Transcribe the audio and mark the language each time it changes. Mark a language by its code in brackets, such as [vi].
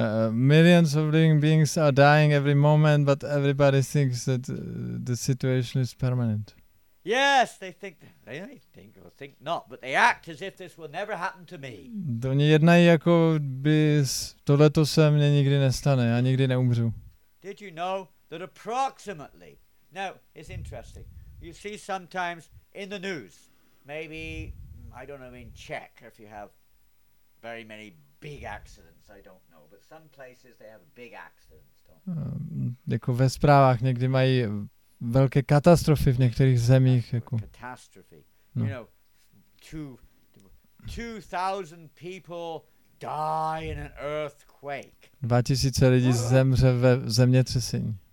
[en] Millions of living beings are dying every moment, but everybody thinks that the situation is permanent. Yes, they think not, but they act as if this will never happen to me. [cs] Oni jednají jako by tohleto se mně nikdy nestane, já nikdy neumřu. [en] Did you know that approximately? Now, it's interesting. You see sometimes in the news, maybe, I don't know, in Czech, if you have very many big accidents, I don't know, but some places they have big accidents, don't they? [cs] Jako ve zprávách někdy mají velké katastrofy v některých zemích, jako. Katastrofy. [en] No. You know, 2,000 people die in an earthquake. [cs] 2,000 lidí zemře ve zemětřesení.